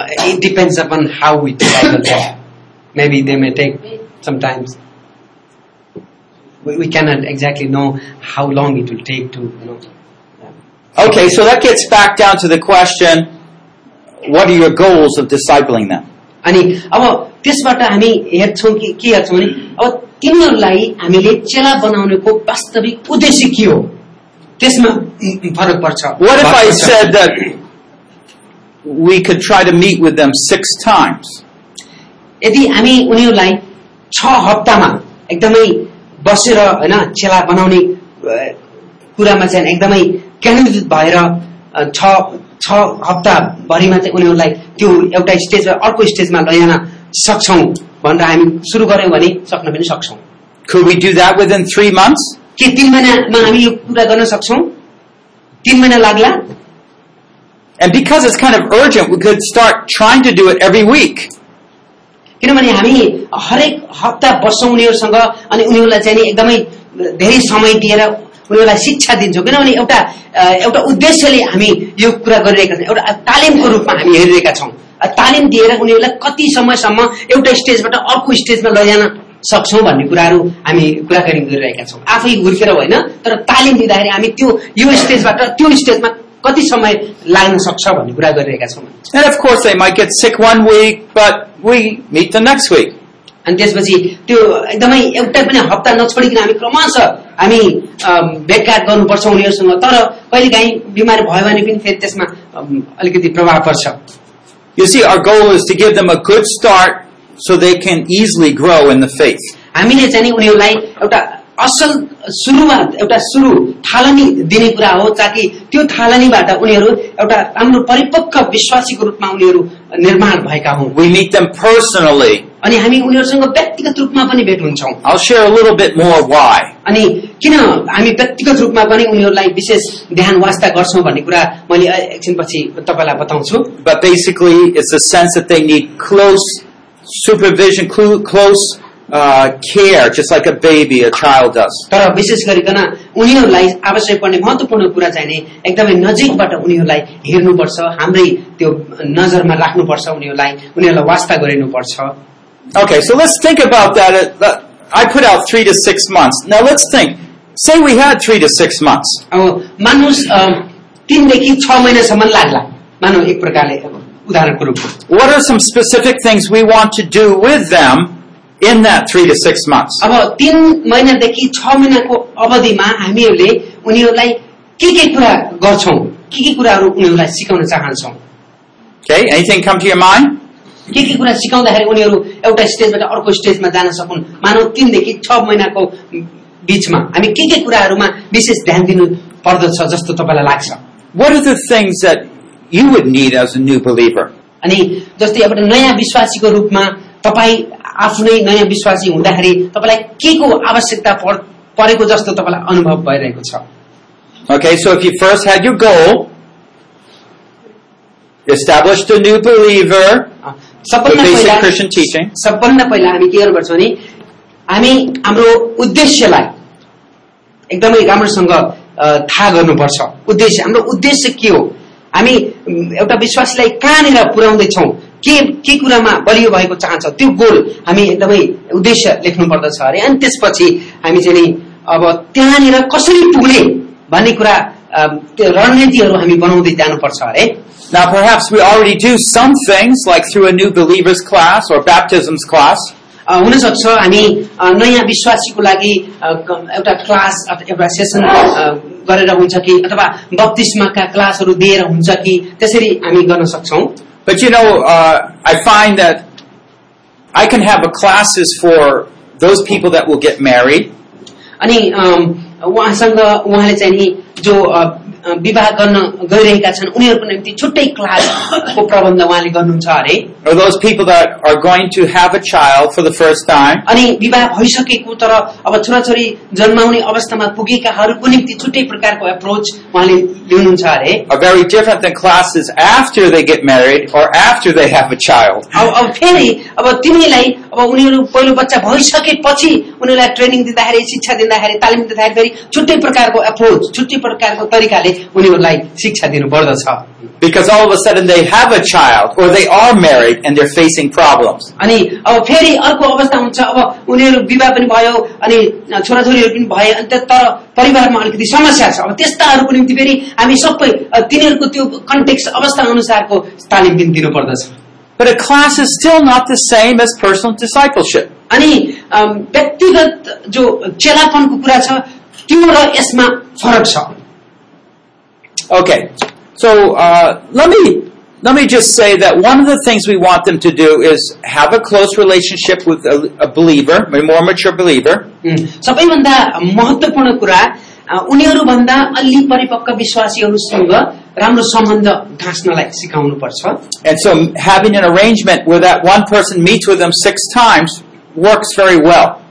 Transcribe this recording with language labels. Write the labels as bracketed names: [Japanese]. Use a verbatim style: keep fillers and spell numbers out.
[English] It depends upon how we disciple them. Maybe they may take sometimes. We, we cannot exactly know how long it will take to, you know. Yeah. Okay, so that gets back down to the question, what are your goals of discipling them? [Nepali] अनि अब त्यसबाट हामी हेर्छौँ कि के हेर्छौँ भने अब तिनीहरूलाई हामीले चेला बनाउनेको वास्तविक उद्देश्य के हो त्यसमा फरक पर्छ। [English] What if I said that we could try to meet with them six times? [Nepali] यदि हामी उनीहरूलाई छ हप्तामा एकदमै बसेर हैन चेला बनाउने कुरामा चाहिँ एकदमै केन्द्रित भएर छ छ हप्ता भरिमा चाहिँ उनीहरूलाई त्यो एउटा स्टेज अर्को स्टेजमा लैजान सक्छौं भनेर हामी सुरु गर्यौं भने सक्न पनि सक्छौं। [English] Could we do that within three months? [Nepali] के तीन महिनामा हामी यो कुरा गर्न सक्छौं? तीन महिना लाग्ला? [English] And because it's kind of urgent, we could start trying to do it every week. [Nepali] किनभने हामी हरेक हप्ता बस्छौं उनीहरूसँग अनि उनीहरूलाई चाहिँ एकदमै धेरै समय दिएर उनीहरूलाई शिक्षा दिन्छौँ किनभने एउटा एउटा उद्देश्यले हामी यो कुरा गरिरहेका छौँ एउटा तालिमको रूपमा हामी हेरिरहेका छौँ तालिम दिएर उनीहरूलाई कति समयसम्म एउटा स्टेजबाट अर्को स्टेजमा लैजान सक्छौँ भन्ने कुराहरू हामी कुराकानी गरिरहेका छौँ आफै हुर्केर होइन तर तालिम दिँदाखेरि हामी त्यो यो स्टेजबाट त्यो स्टेजमा कति समय लाग्न सक्छ भन्ने कुरा गरिरहेका छौँ। [English] And of course they might get sick one week but we meet the next week. [Nepali] अनि त्यसपछि त्यो एकदमै एउटा पनि हप्ता नछोडिकन हामी क्रमशः हामी भेटघाट गर्नुपर्छ उनीहरूसँग तर कहिलेकाहीँ बिमारी भयो भने पनि फेरि त्यसमा अलिकति प्रभाव पर्छ। [English] You see, our goal is to give them a good start so they can easily grow in the faith. [Nepali] हामीले चाहिँ उनीहरूलाई एउटा असल सुरुवात एउटा सुरु थालनी दिने कुरा हो ताकि त्यो थालनीबाट उनीहरू एउटा राम्रो परिपक्व विश्वासीको रूपमा उनीहरू निर्माण भएका हुन्। [English] We meet them personally. [Nepali] अनि हामी उनीहरूसँग व्यक्तिगत रूपमा पनि भेट हुन्छौँ। [English] I'll share a little bit more why. [Nepali] अनि किन हामी व्यक्तिगत रूपमा पनि उनीहरूलाई विशेष ध्यान वास्ता गर्छौँ भन्ने कुरा मैले एकछिनपछि तपाईलाई बताउँछु। [English] But basically it's a sense that they need close supervision, close uh, care, just like a baby, a child does. [Nepali] तर विशेष गरिकन उनीहरूलाई आवश्यक पर्ने महत्वपूर्ण कुरा चाहिँ नि एकदमै नजिकबाट उनीहरूलाई हेर्नुपर्छ हाम्रै त्यो नजरमा राख्नुपर्छ उनीहरूलाई उनीहरूलाई वास्ता गरिनुपर्छ। [English] Okay, so let's think about that. I put out three to six months. Now let's think. Say we had three to six months. [Nepali] मानुस तीन देखि छ महिनासम्म लाग्ला मानौ एक प्रकारले उदाहरणको रूपमा। [English] What are some specific things we want to do with them in that three to six months? [Nepali] अब तीन महिनादेखि छ महिनाको अवधिमा हामीहरूले उनीहरूलाई के के कुरा गर्छौं के के कुराहरू उनीहरूलाई सिकाउन चाहन्छौं? [English] Okay, anything come to your mind? [Nepali] के के कुरा सिकाउँदाखेरि उनीहरू एउटा स्टेजबाट अर्को स्टेजमा जान सकुन्। मानव तीनदेखि छ महिनाको बीचमा हामी के के कुराहरूमा विशेष ध्यान दिनु पर्दछ जस्तो तपाईलाई लाग्छ? [English] What are the things that you would need as a new believer? [Nepali] अनि जस्तै एउटा नयाँ विश्वासीको रूपमा तपाईँ आफ्नै नयाँ विश्वासी हुँदाखेरि तपाईलाई के को आवश्यकता परेको जस्तो तपाईलाई अनुभव भइरहेको छ? [English] Okay, so if you first had your goal, established a new believer, the basic Christian teaching. [Nepali] सबभन्दा पहिला हामी के गर्छौं भने हामी हाम्रो उद्देश्यलाई एकदमै राम्रोसँग थाहा गर्नुपर्छ। उद्देश्य, हाम्रो उद्देश्य के हो? हामी एउटा विश्वासलाई कहाँनिर पुर्याउँदै छौं, के के कुरामा बलियो भएको चाहन्छ, त्यो गोल हामी एकदमै उद्देश्य लेख्नु पर्दछ अरे। अनि त्यसपछि हामी चाहिँ नि अब त्यहाँनिर कसरी पुग्ने भन्ने कुरा रणनीतिहरू हामी बनाउँदै जानुपर्छ अरे। [English] Now, perhaps we already do some things, like through a new believers class or baptisms class. [Nepali] हुन सक्छ हामी नयाँ विश्वासीको लागि एउटा क्लास एउटा सेसन गरेर हुन्छ कि अथवा बप्तिस्माका क्लासहरू दिएर हुन्छ कि, त्यसरी हामी गर्न सक्छौं। [English] But you know, uh, I find that I can have a classes for those people that will get married. [Nepali] अनि उहाँसँग उहाँले चाहिँ नि जो विवाह गर्न गइरहेका छन् उनीहरूको निम्ति छुट्टै क्लासको प्रबन्ध उहाँले गर्नुहुन्छ अरे। [English] Or those people that are going to have a child for the first time. [Nepali] अनि विवाह भइसकेको तर अब छोराछोरी जन्माउने अवस्थामा पुगेकाहरूको निम्ति छुट्टै प्रकारको एप्रोच उहाँले लिनुहुन्छ अरे। [English] Are very different than classes after they get married or after they have a child. [Nepali] अब अब फेरि अब तिमीलाई अब उनीहरू पहिलो बच्चा भइसकेपछि उनीहरूलाई ट्रेनिङ दिँदाखेरि, शिक्षा दिँदाखेरि, तालिम दिँदाखेरि छुट्टै प्रकारको एप्रोच, छुट्टै प्रकारको तरिकाले उनीहरूलाई शिक्षा दिनु पर्दछ। [English] Because all of a sudden they have a child or they are married and they're facing problems. [Nepali] अनि अब फेरि अर्को अवस्था हुन्छ, अब उनीहरू विवाह पनि भयो अनि छोराछोरीहरू पनि भए अनि तर परिवारमा अलिकति समस्या छ। अब त्यस्ताहरूको निम्ति फेरि हामी सबै तिनीहरूको त्यो कन्टेक्स्ट अवस्था अनुसारको तालिम पनि दिनु पर्दछ। [English] But a class is still not the same as personal discipleship. [Nepali] अनि व्यक्तिगत जो चेलापनको कुरा छ त्यो र यसमा फरक छ। [English] Okay. So uh, let me let me just say that one of the things we want them to do is have a close relationship with a, a believer, a more mature believer. [Nepali] सबैभन्दा महत्त्वपूर्ण कुरा उनीहरु भन्दा अलि परिपक्व विश्वासीहरुसँग राम्रो सम्बन्ध गाँस्नलाई सिकाउनु पर्छ। [English] And so having an arrangement where that one person meets with them six times works very well.